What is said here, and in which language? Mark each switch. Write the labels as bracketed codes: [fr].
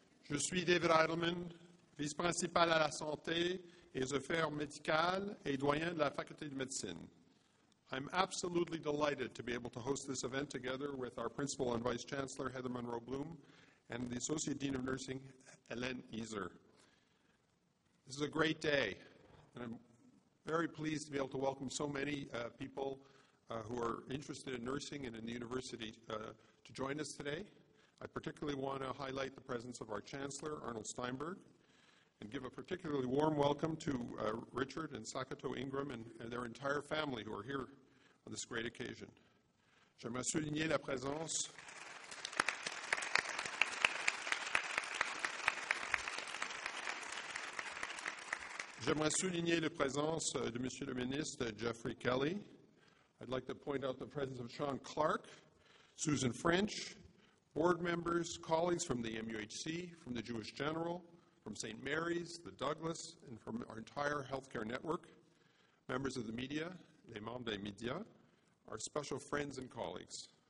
[fr] Je suis David Eidelman, vice-principal à la santé et aux affaires médicales et doyen de la faculté de médecine. [en] I'm absolutely delighted to be able to host this event together with our principal and vice chancellor, Heather Monroe Bloom, and the associate dean of nursing, Hélène Iser. This is a great day, and I'm very pleased to be able to welcome so many people who are interested in nursing and in the university to join us today. I particularly want to highlight the presence of our Chancellor, Arnold Steinberg, and give a particularly warm welcome to Richard and Sakato Ingram and their entire family who are here on this great occasion. [fr] J'aimerais souligner la présence. J'aimerais souligner la présence de Monsieur le Ministre Jeffrey Kelly. [en] I'd like to point out the presence of Sean Clark, Susan French, board members, colleagues from the MUHC, from the Jewish General, from St. Mary's, the Douglas, and from our entire healthcare network, members of the media, [fr] les membres des médias, [en] our special friends and colleagues.